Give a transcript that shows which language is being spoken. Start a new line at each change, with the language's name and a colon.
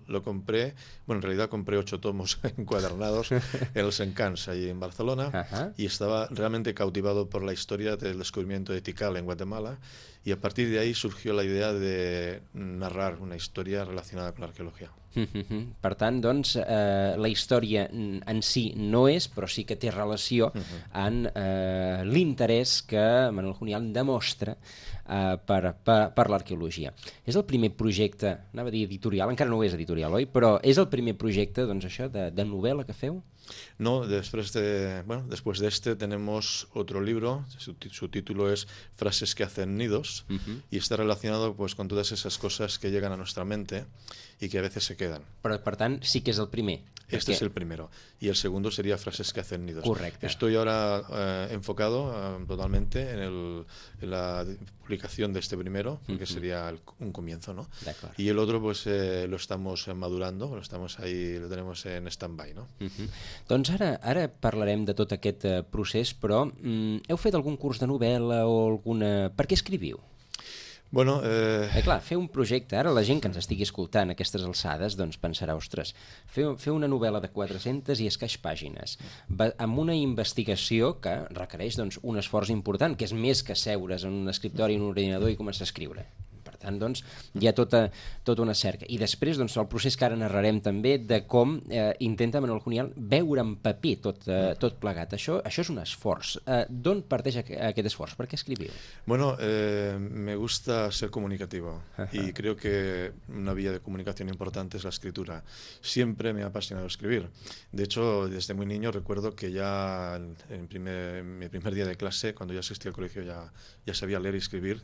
Spanish: Lo compré, bueno, en realidad compré 8 tomos encuadernados en los Encants, allí en Barcelona, y estaba realmente cautivado por la historia del descubrimiento de Tikal en Guatemala, y a partir de ahí surgió la idea de narrar una historia relacionada con la arqueología.
Catalan: Per tant, doncs, la història en si no és, però sí que té relació amb l'interès que Manuel Junial demostra per l'arqueologia. És el primer projecte, anava a dir editorial, encara no ho és editorial, oi? Però és el primer projecte, doncs, això, de novel·la que feu?
Spanish: No,
Catalan: després de,
Spanish: bueno, después de este tenemos otro libro, su título es Frases que hacen nidos, y está relacionado pues con todas esas cosas que llegan a nuestra mente y que a veces se quedan.
Catalan: Però, per tant, sí que és el primer.
Spanish: Este es el primero. Y el segundo sería Frases que hacen nidos.
Catalan: Correcte.
Spanish: Estoy ahora enfocado totalmente en la publicación de este primero, porque sería un comienzo, ¿no?
Catalan: D'acord.
Spanish: Y el otro pues lo estamos madurando, lo estamos ahí, lo tenemos en stand-by, ¿no?
Catalan: Doncs ara parlarem de tot aquest procés, però heu fet algun curs de novel·la o alguna... Per què escriviu? Bueno, clar, fer un projecte, ara la gent que ens estigui escoltant a aquestes alçades, doncs pensarà, ostres, fer una novel·la de 400 i escaig pàgines, amb una investigació que requereix doncs, un esforç important, que és més que seure's en un escriptori, en un ordinador i començar a escriure. Per tant, doncs, hi ha tota una cerca. I després, doncs, el procés que ara narrarem també de com intenta Manuel Junial veure en paper tot plegat. Això és un esforç. D'on parteix aquest esforç? Per què escriviu?
Spanish: Bueno, me gusta ser comunicativo. Y creo que una vía de comunicación importante es la escritura. Siempre me ha apasionado escribir. De hecho, desde muy niño recuerdo que ya en mi primer día de clase, cuando ya asistí al colegio, ya sabía leer y escribir.